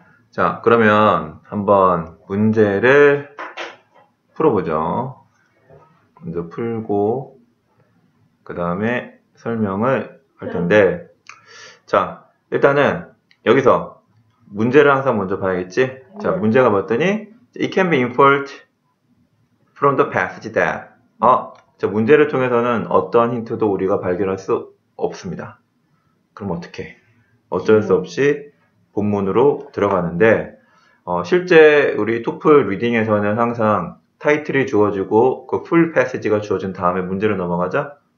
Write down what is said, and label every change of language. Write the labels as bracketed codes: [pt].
[ko] 자, 그러면 한번 문제를 풀어보죠. 먼저 풀고, 그 다음에 설명을 할 텐데. 자, 일단은 여기서 문제를 항상 먼저 봐야겠지? 자, 문제가 봤더니, [en] It can be inferred from the passage that. [ko] 자, 문제를 통해서는 어떤 힌트도 우리가 발견할 수 없습니다. 그럼 어떻게? 어쩔 수 없이 본문으로 들어가는데, 실제 우리 토플 리딩에서는 항상 타이틀이 주어지고 그풀 패시지가 주어진 다음에 문제로 넘어가자.